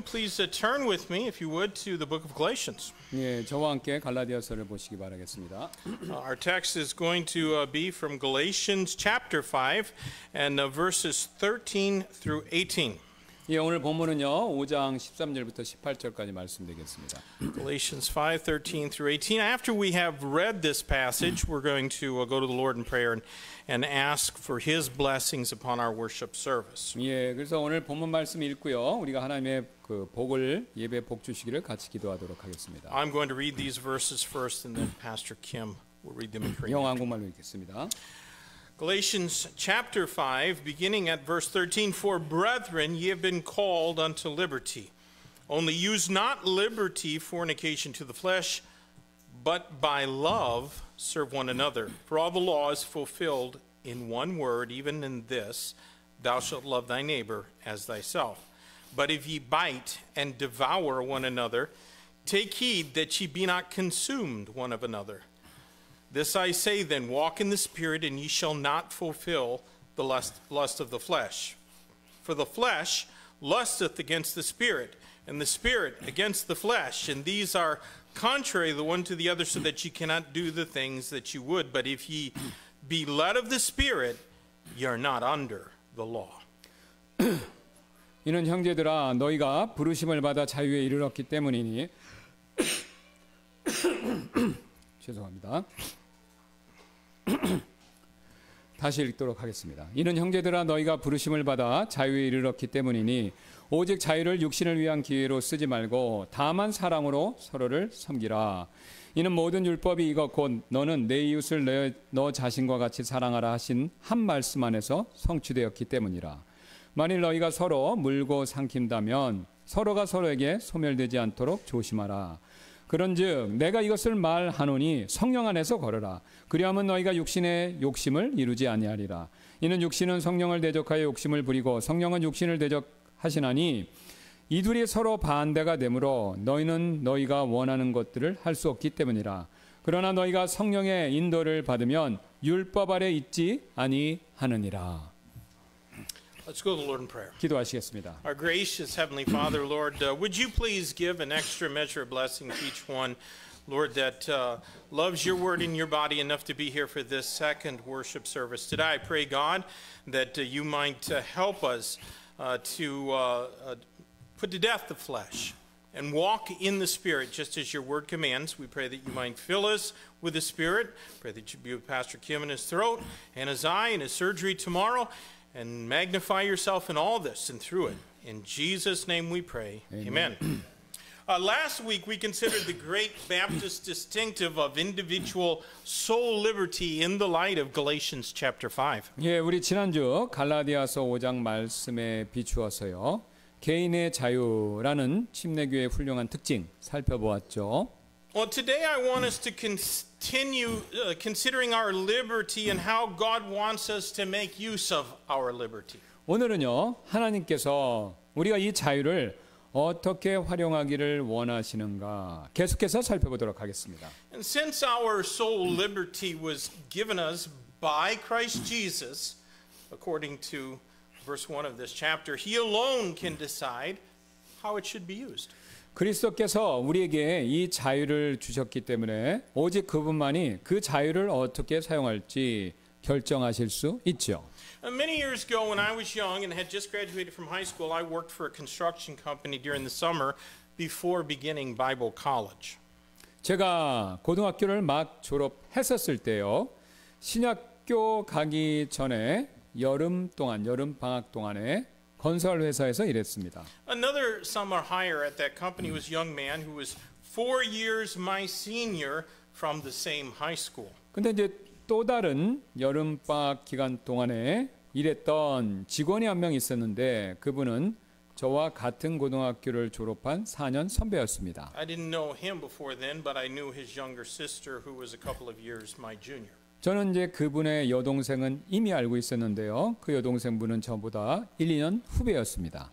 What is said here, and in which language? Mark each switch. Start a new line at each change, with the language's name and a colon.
English: Please turn with me, if you would, to the book of Galatians.
Korean: 네, 저와 함께 갈라디아서를 보시기 바라겠습니다.
English: Our text is going to be from Galatians chapter 5 and verses 13 through 18.
Korean: 예, 오늘 본문은요. 5장 13절부터 18절까지 말씀드리겠습니다.
English: Galatians 5:13 through 18. After we have read this passage, we're going to go to the Lord in prayer and ask for his blessings upon our worship service.
Korean: 예, 그래서 오늘 본문 말씀 읽고요. 우리가 하나님의 그 복을 예배 복 주시기를 같이 기도하도록 하겠습니다.
English: I'm going to read these verses first and then Pastor Kim will read them in Korean.
Korean: 영어 한국말로 읽겠습니다.
English: Galatians chapter 5, beginning at verse 13, For brethren, ye have been called unto liberty. Only use not liberty for an occasion to the flesh, but by love serve one another. For all the law is fulfilled in one word, even in this, thou shalt love thy neighbor as thyself. But if ye bite and devour one another, take heed that ye be not consumed one of another. This I say then, walk in the Spirit, and ye shall not fulfill the lust of the flesh. For the flesh lusteth against the Spirit, and the Spirit against the flesh, and these are contrary the one to the other, so that ye cannot do the things that ye would. But if ye be led of the Spirit, ye are not under the law.
Korean: 이는 형제들아, 너희가 부르심을 받아 자유에 이르렀기 때문이니. 죄송합니다. 다시 읽도록 하겠습니다. 이는 형제들아 너희가 부르심을 받아 자유에 이르렀기 때문이니 오직 자유를 육신을 위한 기회로 쓰지 말고 다만 사랑으로 서로를 섬기라. 이는 모든 율법이 이것 곧 너는 내 이웃을 너 자신과 같이 사랑하라 하신 한 말씀 안에서 성취되었기 때문이라. 만일 너희가 서로 물고 삼킨다면 서로가 서로에게 소멸되지 않도록 조심하라. 그런즉 내가 이것을 말하노니 성령 안에서 걸으라. 그리하면 너희가 육신의 욕심을 이루지 아니하리라. 이는 육신은 성령을 대적하여 욕심을 부리고 성령은 육신을 대적하시나니 이 둘이 서로 반대가 되므로 너희는 너희가 원하는 것들을 할 수 없기 때문이라. 그러나 너희가 성령의 인도를 받으면 율법 아래 있지 아니하느니라.
English: Let's go to the Lord in prayer.
Korean: 기도하시겠습니다.
English: Our gracious Heavenly Father, Lord, would you please give an extra measure of blessing to each one, Lord, that loves your word in your body enough to be here for this second worship service. Today I pray, God, that you might help us put to death the flesh and walk in the Spirit just as your word commands. We pray that you might fill us with the Spirit. Pray that you be with Pastor Kim in his throat and his eye and his surgery tomorrow. And magnify yourself in all this and through it. In Jesus' name we pray. Amen. Amen. Last week we considered the great Baptist distinctive of individual soul liberty in the light of Galatians chapter 5.
Korean: 예, 우리 지난주 갈라디아서 5장 말씀에 비추어서요. 개인의 자유라는 침례교의 훌륭한 특징 살펴보았죠.
English: Well, today I want us to continue considering our liberty and how God wants us to make use of our liberty.
Korean: 오늘은요, 하나님께서 우리가 이 자유를 어떻게 활용하기를 원하시는가 계속해서 살펴보도록 하겠습니다.
English: And since our soul liberty was given us by Christ Jesus, according to verse 1 of this chapter, He alone can decide how it should be used.
Korean: 그리스도께서 우리에게 이 자유를 주셨기 때문에 오직 그분만이 그 자유를 어떻게 사용할지 결정하실 수 있죠.
English: Many years ago when I was young and had just graduated from high school, I worked for a construction company during the summer before beginning Bible college.
Korean: 제가 고등학교를 막 졸업했었을 때요. 신학교 가기 전에 여름 동안 여름 방학 동안에 건설 회사에서 일했습니다.
English: Another summer hire at that company was a young man who was 4 years my senior from the same high school.
Korean: 근데 이제 또 다른 여름 방학 기간 동안에 일했던 직원이 한 명 있었는데 그분은 저와 같은 고등학교를 졸업한 4년 선배였습니다.
English: I didn't know him before then, but I knew his younger sister who was a couple of years my junior.
Korean: 저는 이제 그분의 여동생은 이미 알고 있었는데요. 그 여동생분은 저보다 1, 2년 후배였습니다.